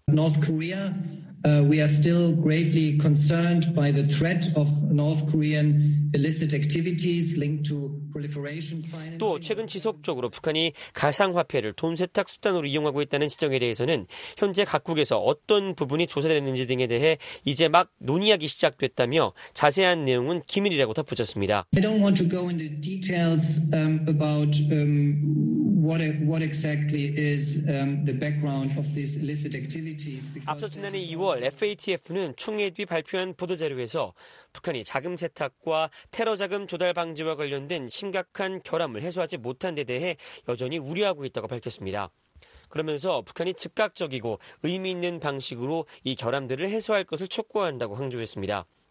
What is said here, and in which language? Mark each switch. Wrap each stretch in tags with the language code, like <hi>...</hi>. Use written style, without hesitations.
<en>North Korea, we are still gravely concerned by the threat of North Korean illicit activities linked to proliferation financing.</en> <ko>또 최근 지속적으로 북한이 가상화폐를 돈 세탁 수단으로 이용하고 있다는 지적에 대해서는 현재 각국에서 어떤 부분이 조사됐는지 등에 대해 이제 막 논의하기 시작됐다며 자세한 내용은 기밀이라고 덧붙였습니다.</ko> <en>I don't want to go into details about what exactly is the background of this illicit activities.</en> <ko>앞서 지난해 2월 FATF는 총회 뒤 발표한 보도자료에서 북한이 자금 세탁과 테러 자금 조달 방지와 관련된 심각한 결함을 해소하지 못한 데 대해 여전히 우려하고 있다고 밝혔습니다. 그러면서 북한이 즉각적이고 의미 있는 방식으로 이 결함들을 해소할 것을 촉구한다고 강조했습니다.</ko>